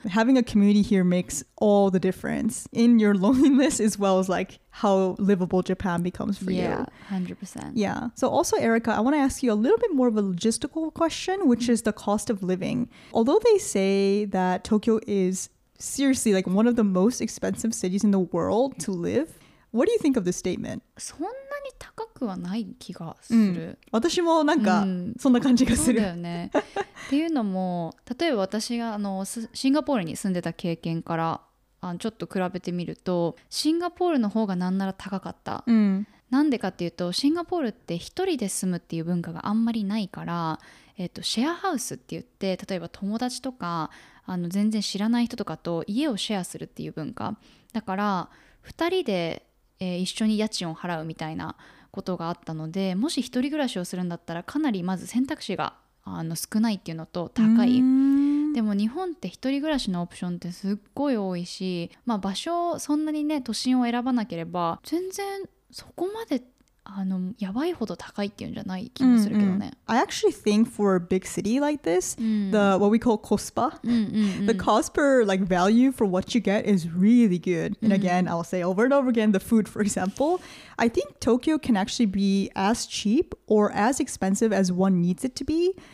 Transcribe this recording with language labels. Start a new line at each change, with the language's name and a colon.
English: Having a community here makes all the difference in your loneliness as well as like how livable Japan becomes for you. Yeah, 100%. Yeah. So also, Erica, I want to ask you a little bit more of a logistical question, which is the cost of living. Although they say that Tokyo is seriously like one of the most expensive cities in the world to live, what do you think of this statement?
Japanese: そんなに高くはない気がする。うん、私もなんか、そんな感じがする。そうだよね。っていうのも、例えば私がシンガポールに住んでた経験からちょっと比べてみると、シンガポールの方がなんなら高かった。なんでかっていうと、シンガポールって一人で住むっていう文化があんまりないから、シェアハウスって言って、例えば友達とか全然知らない人とかと家をシェアするっていう文化。だから、2人で、一緒に家賃を払うみたいなことがあったので、もし一人暮らしをするんだったらかなりまず選択肢が少ないっていうのと高い。でも日本って一人暮らしのオプションってすっごい多いし、まあ、場所をそんなにね都心を選ばなければ全然そこまでやばいほど高いっていうんじゃない気もするけどね。
English: I actually think for a big city like this, the what we call KOSPA, the cost per like value for what you get is really good. And again, I'll say over and over again, the food, for example, I think Tokyo can actually be as cheap or as expensive as one needs it to be.